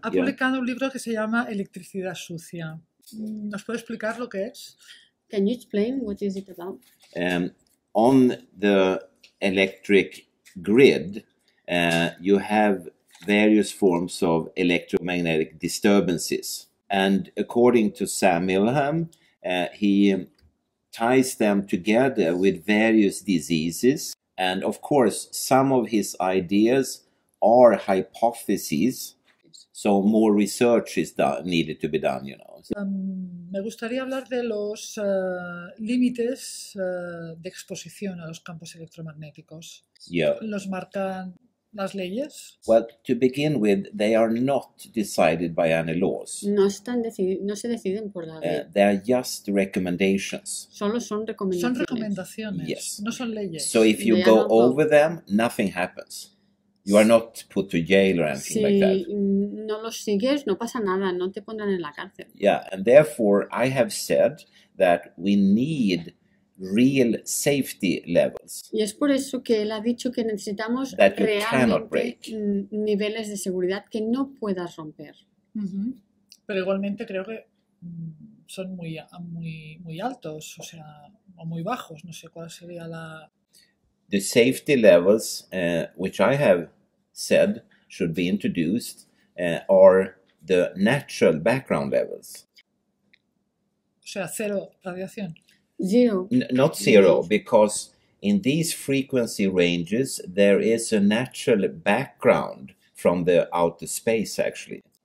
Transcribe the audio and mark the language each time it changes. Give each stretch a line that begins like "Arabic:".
Spanish: Ha publicado un libro que se llama Electricidad Sucia. ¿Nos puede explicar lo que es?
English: Can you explain what is it about? On the electric grid, you have various forms of electromagnetic disturbances. And according to Sam Milham, he ties them together with various diseases. And of course, some of his ideas are hypotheses. So more research is needed to be done, you know.
Spanish: Me gustaría hablar de los límites de exposición a los campos electromagnéticos.
English: Yeah.
Spanish: Los marcan las leyes?
English: Well, to begin with, they are not decided by any laws.
Spanish: No se deciden por la ley.
English: They are just recommendations.
Spanish: Solo son recomendaciones. Son recomendaciones.
English: Yes.
Spanish: No son leyes.
English: So if you go over them, nothing happens. You are not put to jail or anything
Spanish: si
English: like that.
Spanish: No los sigues, no pasa nada. No te pondrán en la cárcel.
English: Yeah, and therefore I have said that we need real safety levels.
Spanish: Y es por eso que él ha dicho que necesitamos realmente niveles de seguridad que no puedas romper. Mm-hmm. Pero igualmente creo que son muy, muy, muy altos, o sea, o muy bajos. No sé cuál sería la.
English: The safety levels, which I have said should be introduced, are the natural background levels.
Spanish: O sea, cero radiación.
English: Zero. Not zero, because in these frequency ranges, there is a natural background from the outer space, actually.